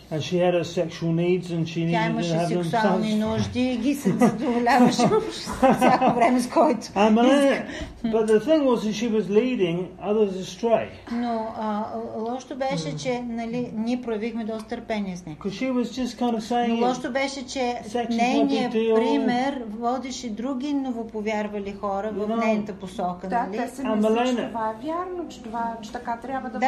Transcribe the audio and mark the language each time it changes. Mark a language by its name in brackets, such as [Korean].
[English] And she had her sexual needs and she needed to have them satisfied. [Bulgarian] Тя имаше сексуални нужди и ги се задоволяваше всяко време, с който [English] But the thing was that she was leading others astray. [Bulgarian] Но лошото беше, че нали, ние проявихме доста търпение с нея. [English] Because she was just kind of saying, [Bulgarian] но лошото беше, че нейният пример водеше други новоповярвали хора в нейната посока. Да, те се мисля, че това е вярно, че така трябва да бъде.